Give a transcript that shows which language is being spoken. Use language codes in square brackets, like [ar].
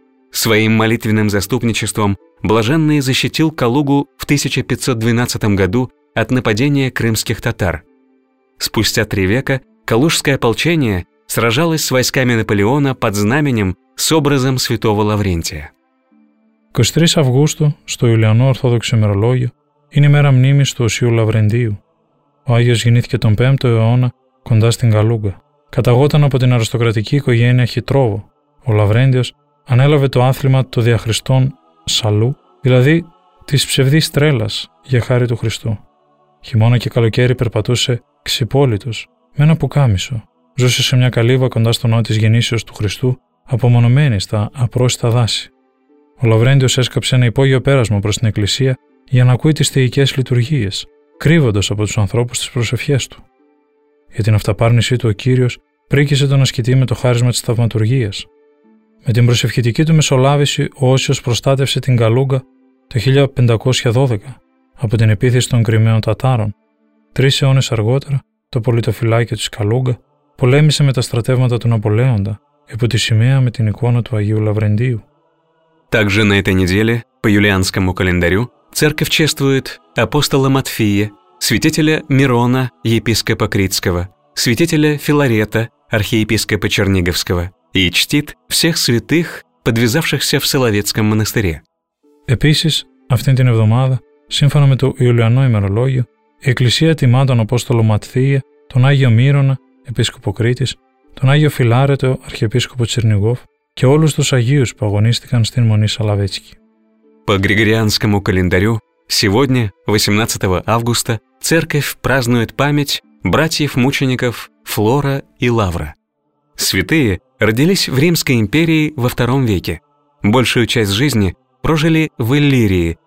[ru] Своим молитвенным заступничеством блаженный защитил Калугу в 1512 году от нападения крымских татар. Спустя 3 века калужское ополчение сражалось с войсками Наполеона под знаменем с образом святого Лаврентия. 23 августа, что Юлиано [el] Ορθόδοξο ημερολόγιο, είναι η μέρα μνήμης του Οσίου Λαβρεντίου. Ο Άγιος γεννήθηκε τον 5ο αιώνα κοντά στην Καλούγκα. Καταγόταν από την αριστοκρατική οικογένεια Χιτρόβο. Ο Λαβρέντιος ανέλαβε το άθλημα των διαχριστών Σαλού, δηλαδή της ψευδής τρέλας για χάρη του Χριστού. Χειμώνα και καλοκαίρι περπατούσε ξυπόλυτος, με ένα πουκάμισο. Ζούσε σε μια καλύβα κοντά στο ναό της γεννήσεως του Χριστού, απομονωμένη στα απρόσιτα δάση. Ο Λαβρέντιος έσκαψε ένα υπόγειο πέρασμα προς την εκκλησία για να ακούει τις θεϊκές λειτουργίες, κρύβοντας από τους ανθρώπους τις προσευχές του. Για την αυταπάρνησή του ο Κύριος πρίκησε τον ασκητή με το χάρισμα της θαυματουργίας. Με την προσευχητική του μεσολάβηση, ο Όσιος προστάτευσε την Καλούγκα το 1512 από την επίθεση των Κρυμαίων Τατάρων. 3 αιώνες αργότερα, το πολιτοφυλάκιο της Καλούγκα πολέμησε με τα στρατεύματα του Ναπολέοντα, υπό τη σημαία με την εικόνα του Αγίου Λαβρεντίου. [ru] Также на этой неделе, по юлианскому календарю, церковь чествует апостола Матфея, святителя Мирона, епископа Критского, святителя Филарета, архиепископа Черниговского, и чтит всех святых, подвязавшихся в Соловецком монастыре. [el] Επίσης, αυτήν την εβδομάδα, σύμφωνα με το Ιουλιανό ημερολόγιο, η Εκκλησία τιμά τον Απόστολο Ματθία, τον Άγιο Μύρονα, επίσκοπο Κρήτης, τον Άγιο Φιλάρετο, αρχιεπίσκοπο Τσιρνιγόφ και όλους τους Αγίους που αγωνίστηκαν στην Μονή Σαλαβέτσκη. [ru] По Григорианскому календарю, сегодня, 18 августа, церковь празднует память братьев-мучеников Флора и Лавра. Святые родились в Римской империи во II веке. Большую часть жизни прожили в Иллирии,